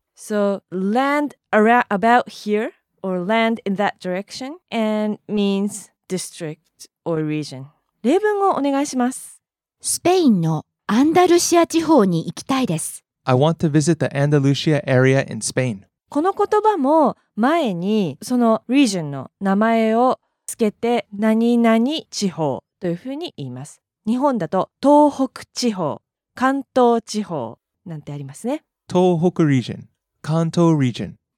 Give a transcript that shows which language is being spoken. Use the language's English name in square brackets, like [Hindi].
[English] So, land around, about here or land in that direction and means... District or region. [Japanese] 例文をお願いします。スペインのアンダルシア地方に行きたいです。 [English] I want to visit the Andalusia area in Spain. [Japanese] この言葉も前にその region の名前をつけて何々地方というふうに言います。日本だと東北地方、関東地方なんてありますね。東北 region、関東 region。